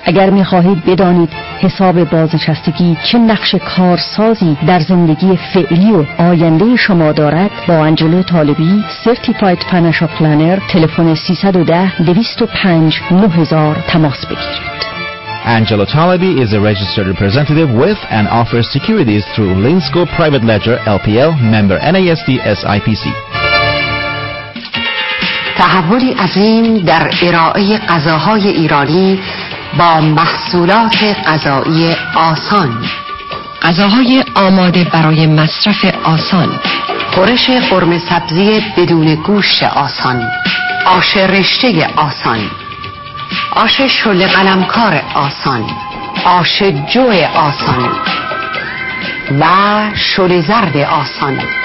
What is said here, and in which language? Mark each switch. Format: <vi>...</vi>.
<fa>اگر می‌خواهید بدانید حساب بازنشستگی چه نقش کارسازی در زندگی فعلی و آینده شما دارد، با انجلو طالبی، سرتیفاید فینانشل پلنر، تلفن 310-205-9000 تماس بگیرید.</fa> <en>Angelo Talabi is a registered representative with and offers securities through Linsco Private Ledger LPL, member NASD SIPC.</en> <fa>تحولی عظیم در ارائه غذاهای ایرانی با محصولات غذایی آسان. غذاهای آماده برای مصرف آسان، خورش قرمه سبزی بدون گوشت آسان، آش رشته آسان، آش شله قلمکار آسان، آش جو آسان و شله زرد آسان.</fa>